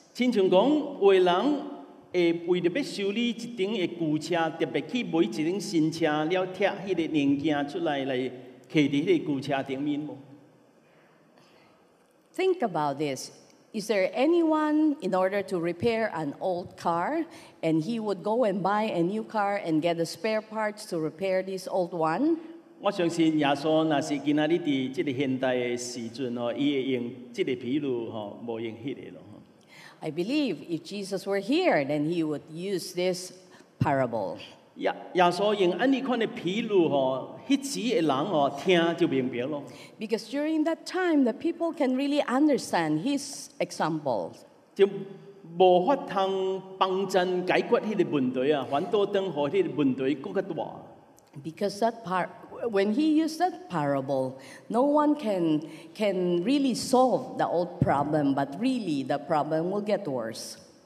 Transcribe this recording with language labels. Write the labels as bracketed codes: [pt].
[nan] 亲像讲为人。会为了要修理一顶的旧车，特别去买一顶新车，了拆迄个零件出来，来骑伫迄个旧车顶面无 [en] ？Think about this: Is there anyone in order to repair an old car, and he would go and buy a new car and get the spare parts to repair this old one？ [nan] 我相信耶稣，那是今仔日伫即个现代的时阵哦，伊会用即个比喻吼，无用迄个咯。 [en] I believe if Jesus were here, then he would use this parable. [nan] 耶稣用安尼款的比喻吼，迄时的人吼听就明白咯。 [en] Because during that time, the people can really understand his example. [nan] 就无法通帮衬解决迄个问题啊，反倒等乎迄个问题更加大。 [en] Because that part, when he used that parable, no one can really solve the old problem, but really the problem will get worse.